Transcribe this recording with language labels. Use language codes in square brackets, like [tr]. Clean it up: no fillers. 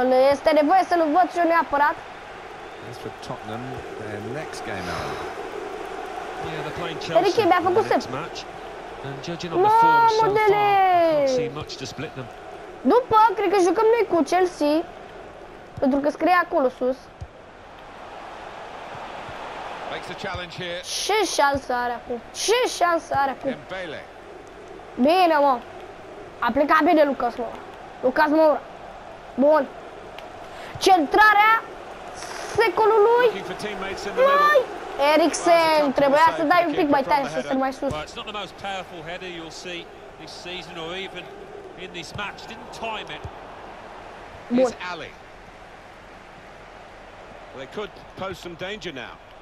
[ro] Este nevoie să-l văd și eu neapărat. [en] As for Tottenham, their next game out. Yeah, they're playing Chelsea in the next match. And judging on the form so far, I can't see much to split them. [ro] După, cred că jucăm noi cu Chelsea. Pentru că scrie acolo sus. [en] Makes a challenge here. [ro] Ce șansă are acum? Ce șansă are acum? Dembele. Bine, mă. A plecat bine Lucas Moura. Lucas Moura. Bun. Centrarea secolului. Mai! Eriksen, trebuia să dai un pic mai tare să stai mai sus. [en] Well, it's not the most powerful header you'll see this season or even in this match. Didn't time it. [ro] Bun. [en] It's Alli. They could pose some danger now.